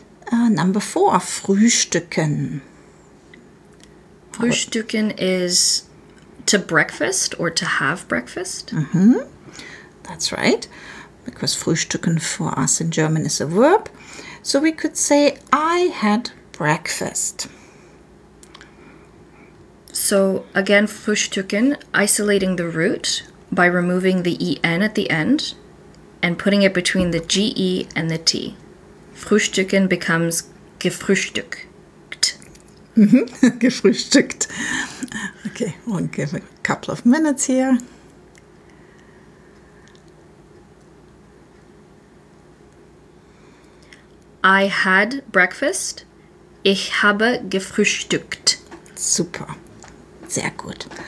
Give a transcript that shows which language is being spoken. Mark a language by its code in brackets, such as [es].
[en] Number four, frühstücken. Frühstücken is to breakfast or to have breakfast. Mm-hmm. That's right. Because frühstücken for us in German is a verb. So we could say, I had breakfast. So again, frühstücken, isolating the root by removing the en at the end and putting it between the ge and the t. Frühstücken becomes gefrühstückt. Mm-hmm. Gefrühstückt. Okay, we'll give a couple of minutes here. I had breakfast. [de] Ich habe gefrühstückt. Super. Sehr gut.